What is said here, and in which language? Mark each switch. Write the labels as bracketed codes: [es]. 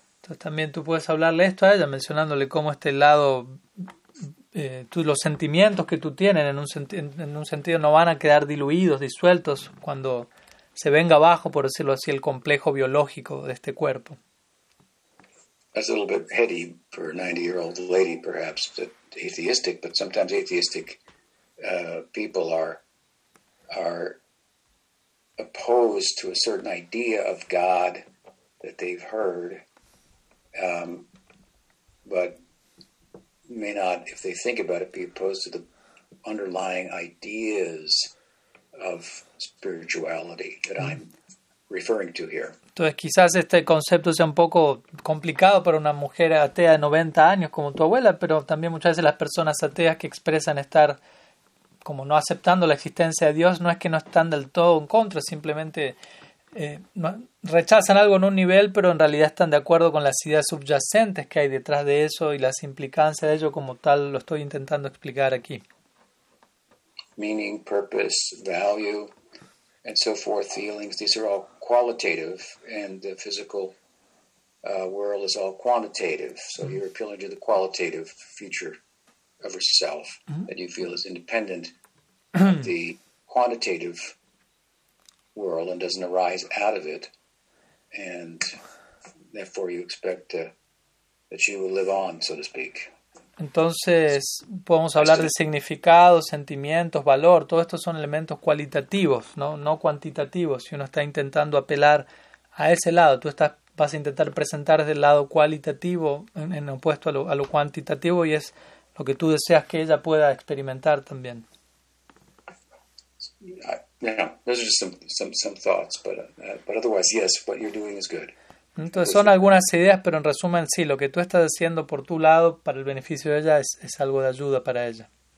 [es] Entonces también tú puedes hablarle esto a ella, mencionándole cómo este lado, los sentimientos que tú tienes en un sentido no van a quedar diluidos, disueltos, cuando se venga abajo, por decirlo así, el complejo biológico de este cuerpo. [en] That's a little bit heady for a 90-year-old lady, perhaps, but atheistic, but sometimes atheistic people are opposed to a certain idea of God that they've heard. But may not, if they think about it, be opposed to the underlying ideas of spirituality that I'm referring to here. [es] Entonces quizás este concepto sea un poco complicado para una mujer atea de 90 años como tu abuela, pero también muchas veces las personas ateas que expresan estar como no aceptando la existencia de Dios, no es que no están del todo en contra, simplemente rechazan algo en un nivel, pero en realidad están de acuerdo con las ideas subyacentes que hay detrás de eso y las implicancias de ello como tal lo estoy intentando explicar aquí. [en] Meaning, purpose, value, and so forth, feelings, these are all qualitative, and the physical world is all quantitative. So you're appealing to the qualitative feature of yourself that you feel is independent of the quantitative world and doesn't arise out of it, and therefore you expect that she will live on, so to speak. [es] Entonces podemos hablar de significado, sentimientos, valor. Todos estos son elementos cualitativos, no cuantitativos. Si uno está intentando apelar a ese lado, tú estás vas a intentar presentar desde el lado cualitativo en opuesto a lo cuantitativo, y es lo que tú deseas que ella pueda experimentar también. [en] Those are just some thoughts, but otherwise, yes, what you're doing is good. [es] Entonces son algunas ideas, pero en resumen, sí, lo que tú estás haciendo por tu lado para el beneficio de ella es algo de ayuda para ella.